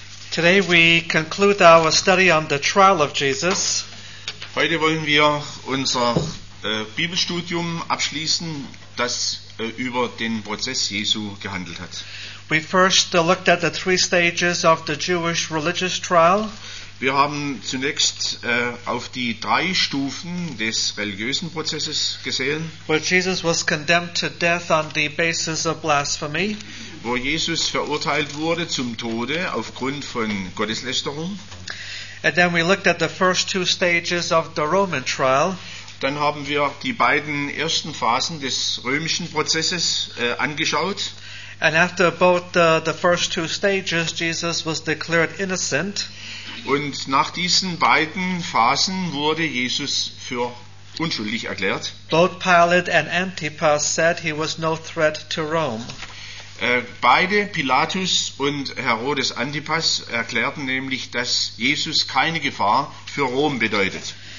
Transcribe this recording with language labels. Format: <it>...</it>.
<en>Today we conclude our study on the trial of Jesus.</en> <de>Heute wollen wir unser Bibelstudium abschließen, das über den Prozess Jesu gehandelt hat.</de> <en>We first looked at the three stages of the Jewish religious trial.</en> <de>Wir haben zunächst auf die drei Stufen des religiösen Prozesses gesehen.</de> <en>Where Jesus was condemned to death on the basis of blasphemy.</en> <de>Wo Jesus verurteilt wurde zum Tode aufgrund von Gotteslästerung.</de> <en>And then we looked at the first two stages of the Roman trial.</en> <de>Dann haben wir die beiden ersten Phasen des römischen Prozesses angeschaut.</de> <en>And after both the first two stages, Jesus was declared innocent.</en> <de>Und nach diesen beiden Phasen wurde Jesus für unschuldig erklärt.</de> <en>Both Pilate and Antipas said he was no threat to Rome.</en> <de>Beide, Pilatus und Herodes Antipas, erklärten nämlich, dass Jesus keine Gefahr für Rom bedeutet.</de>